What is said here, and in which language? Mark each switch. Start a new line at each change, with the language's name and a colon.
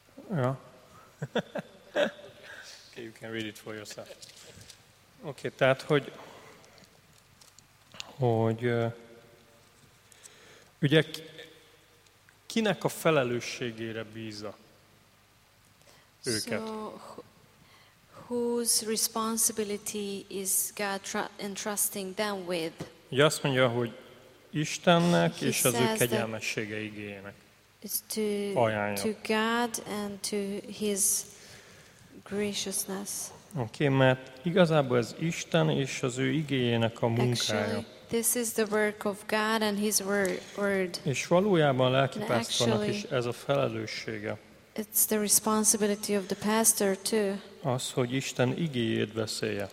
English: Yeah. Okay, you can read it for yourself.
Hungarian: Okay, tehát hogy ugye kinek a felelősségére bízza őket?
English: So, whose responsibility is God entrusting them with?
Hungarian: Ugye azt mondja, hogy Istennek he és az ő kegyelmessége igényének.
English: It's to God and to his graciousness.
Hungarian: Okay, mert igazából ez Isten és az ő igéjének a munkája.
English: Actually, this is the work of God and his word.
Hungarian: És valójában a lelkipásztornak is ez a felelőssége.
English: It's the responsibility of the pastor too.
Hungarian: Az, hogy Isten igéjét beszélje.